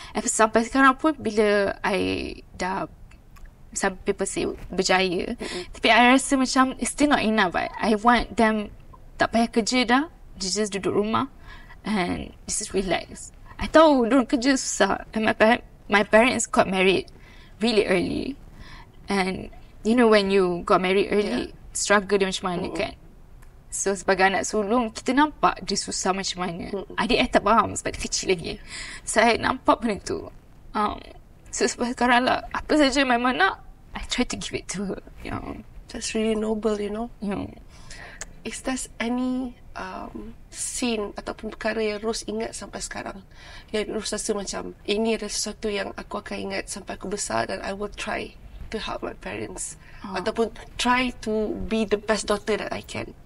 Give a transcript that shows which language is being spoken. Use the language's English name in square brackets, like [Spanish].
[English] And [Malay] sampai sekarang pun, [English] bila I dah, some people say berjaya, [Malay] tapi I rasa macam [English] it's still not enough, but I want them [Malay] tak payah kerja dah, [English] just [Malay] duduk rumah [English] and just relax. I [Malay] tahu dorang kerja susah, [English] and my parents got married really early. And you know when you got married early, struggle [Malay] dia macam mana kan. So sebagai anak sulung, kita nampak dia susah macam mana. Adik saya tak faham sebab dia kecil lagi. Saya nampak benda tu. [English] So [Malay] sebab sekarang lah, apa saja [English] my mom nak, I try to give it to her. That's really noble, you know. Yeah. Is there any scene [Malay] ataupun perkara yang Rose ingat sampai sekarang, yang Rose rasa macam, ini adalah sesuatu yang aku akan ingat sampai aku besar, dan [English] I will try to help my parents. Ataupun try to be the best daughter that I can.